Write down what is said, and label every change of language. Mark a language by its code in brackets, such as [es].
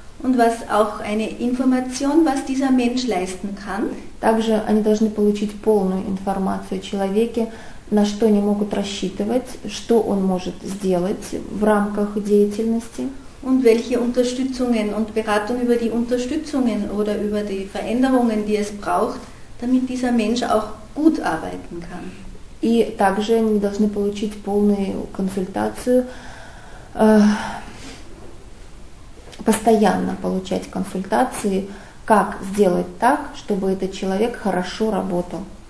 [de] Und was auch eine Information, was dieser Mensch leisten kann. [ru] Также они должны получить полную информацию о человеке, на что они могут рассчитывать, что он может сделать в рамках деятельности. [de] Und welche Unterstützungen und Beratung über die Unterstützungen oder über die Veränderungen, die es braucht, damit dieser Mensch auch gut arbeiten kann. [ru] И также они должны получить полную консультацию, постоянно получать консультации, как сделать так, чтобы этот человек хорошо работал.